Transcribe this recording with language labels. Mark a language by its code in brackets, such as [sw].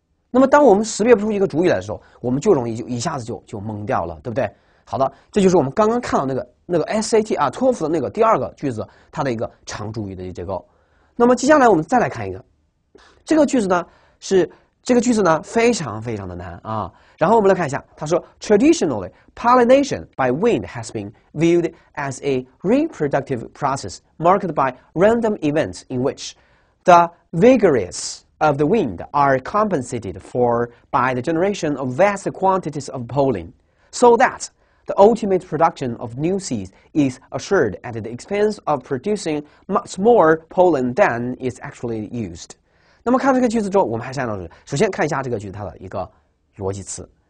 [zh] 那么当我们识别不出一个主语来的时候，我们就容易就一下子就懵掉了，对不对？好的，这就是我们刚刚看到那个 SAT 啊托福的那个第二个句子，它的一个长主语的结构。那么接下来我们再来看一个。这个句子呢是这个句子呢非常非常的难啊。 [en] 然后我们来看一下， [zh] 他说 [en] ，Traditionally, pollination by wind has been viewed as a reproductive process marked by random events in which the vigorous of the wind are compensated for by the generation of vast quantities of pollen, so that the ultimate production of new seeds is assured at the expense of producing much more pollen than is actually used. [zh] 那么看这个句子之后，我们还是按照是，首先看一下这个句子它的一个逻辑词。